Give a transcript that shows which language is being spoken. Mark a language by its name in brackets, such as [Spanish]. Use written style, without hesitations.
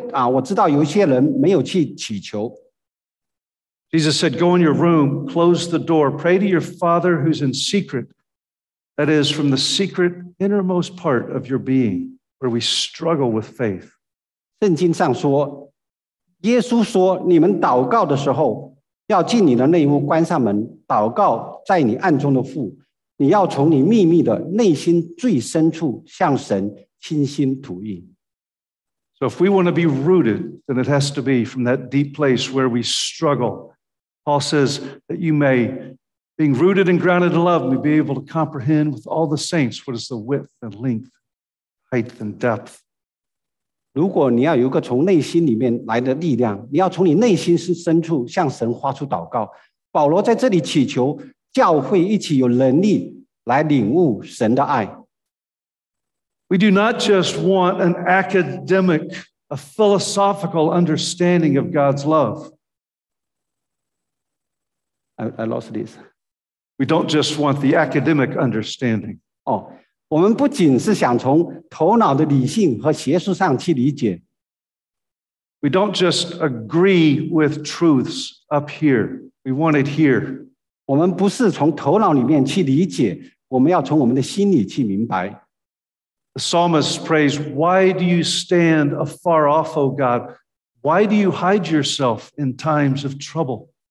[Chinese] 我知道有一些人没有去祈求。 [English] Jesus said, go in your room, close the door, pray to your Father who's in secret. That is, from the secret innermost part of your being, where we struggle with faith. [Chinese] 圣经上说，耶稣说，你们祷告的时候，要进你的内屋，关上门，祷告在你暗中的父。你要从你秘密的内心最深处向神倾心吐意。 [English] So if we want to be rooted, then it has to be from that deep place where we struggle. Paul says that you may, being rooted and grounded in love, may be able to comprehend with all the saints what is the width and length, height and depth. [Chinese] 如果你要有一个从内心里面来的力量，你要从你内心深处向神发出祷告。保罗在这里祈求教会一起有能力来领悟神的爱。 [English] We do not just want an academic, a philosophical understanding of God's love. I lost this. We don't just want the academic understanding. [Chinese] 我们不仅是想从头脑的理性和学术上去理解。 [English] We don't just agree with truths up here. We want it here. [Chinese] 我们不是从头脑里面去理解，我们要从我们的心里去明白。 [English] The psalmist prays, why do you stand afar off, O God? Why do you hide yourself in times of trouble?